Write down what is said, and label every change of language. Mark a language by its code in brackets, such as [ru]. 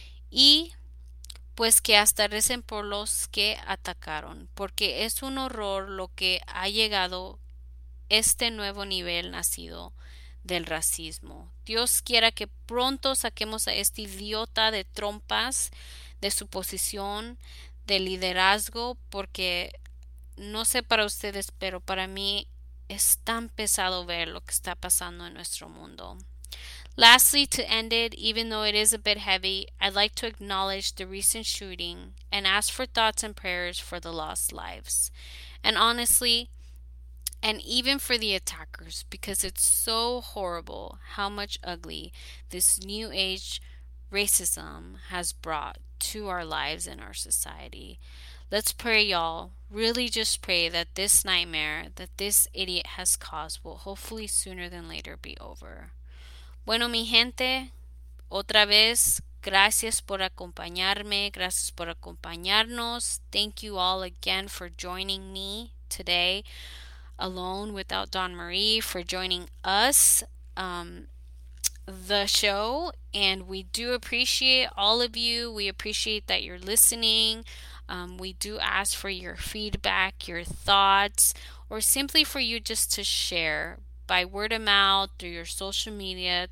[es] Y pues que hasta recen por los que atacaron, porque es un horror lo que ha llegado este nuevo nivel nacido del racismo. Dios quiera que pronto saquemos a este idiota de trompas, de su posición de liderazgo, porque no sé para ustedes, pero para mí es tan pesado ver lo que está pasando en nuestro mundo. [en] Lastly, to end it, even though it is a bit heavy, I'd like to acknowledge the recent shooting and ask for thoughts and prayers for the lost lives. And honestly, and even for the attackers, because it's so horrible how much ugly this new age racism has brought to our lives and our society. Let's pray, y'all. Really just pray that this nightmare that this idiot has caused will hopefully sooner than later be over. [es] Bueno, mi gente, otra vez, gracias por acompañarme, gracias por acompañarnos. [en] Thank you all again for joining me today. Alone without Dawn Marie for joining us, the show, and we do appreciate all of you. We appreciate that you're listening. We do ask for your feedback, your thoughts, or simply for you just to share by word of mouth through your social media.